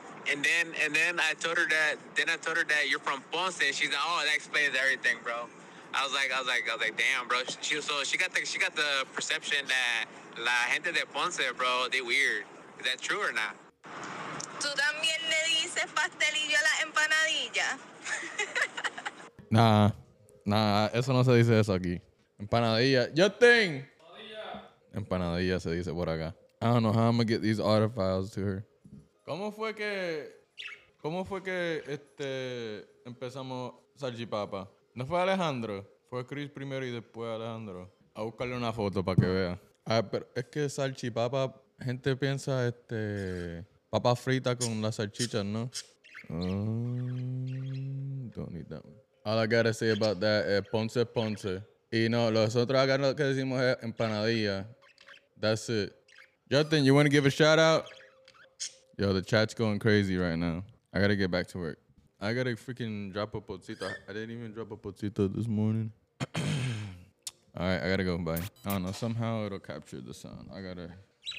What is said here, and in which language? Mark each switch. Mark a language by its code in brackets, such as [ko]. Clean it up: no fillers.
[en] And then I told her that you're from Ponce, and she's like, oh, that explains everything, bro. I was like, damn, bro. She got the perception that [es] la gente de Ponce, [en] bro, they weird. Is that true or not? [es] Tú también le dices pastelillo a la empanadilla. Nah, eso no se dice eso aquí. Empanadilla. Justin. Empanadilla se dice por acá. [en] I don't know how I'm gonna get these audio files to her. [es] ¿Cómo fue que empezamos salchipapa? No fue Alejandro, fue Chris primero y después Alejandro. A buscarle una foto para que vea. Ah, pero es que salchipapa, gente piensa Papa frita con las salchichas, no? [en] Don't need that one. All I gotta say about that is Ponce Ponce. [es] Y no, los otros acá lo que decimos es empanadilla. [en] That's it. Justin, you want to give a shout out? Yo, the chat's going crazy right now. I gotta get back to work. I gotta freaking drop a pocito. I didn't even drop a pocito this morning. All right, I gotta go. Bye. I don't know. Somehow it'll capture the sound. I gotta...